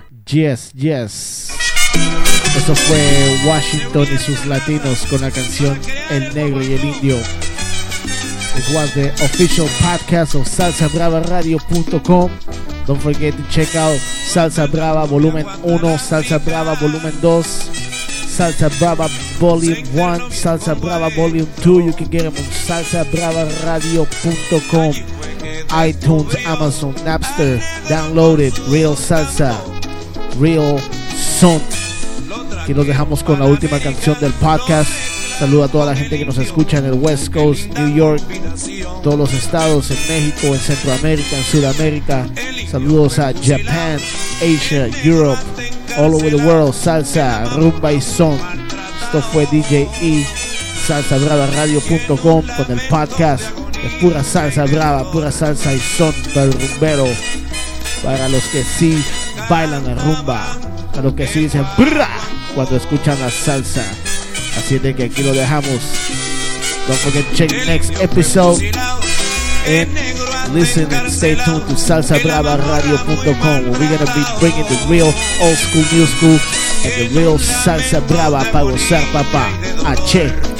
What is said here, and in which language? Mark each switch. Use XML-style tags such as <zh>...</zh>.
<en>Yes, yes.</en> <es>Eso fue Washington y sus latinos con la canción El Negro y el Indio.</es> <en>It was the official podcast of SalsaBravaRadio.com. Don't forget to check out Salsa Brava Volumen 1, Salsa Brava Volumen 2, Salsa Brava Volume 1, Salsa Brava Volume 2. You can get them on SalsaBravaRadio.com, iTunes, Amazon, Napster. Download it. Real Salsa. Real Son.</en> <es>Aquí los dejamos con la última canción del podcast. Saludo a toda la gente que nos escucha en el West Coast, New York, todos los estados, en México, en Centroamérica, en Sudamérica. Saludos a</es> <en>Japan, Asia, Europe, all over the world.</en> <es>Salsa, rumba y son. Esto fue DJ E, SalsaBravaRadio.com, con el podcast de pura salsa brava, pura salsa y son del rumbero. Para los que sí bailan la rumba, a lo que sí dicen brrra cuando escuchan la salsa. Así de que aquí lo dejamos.</es> <en>Don't forget to check next episode and listen and stay tuned to SalsaBravaRadio.com, where we're gonna be bringing the real old school, new school and the real salsa brava</en> <es>para gozar, papá.</es> <en>H.</en>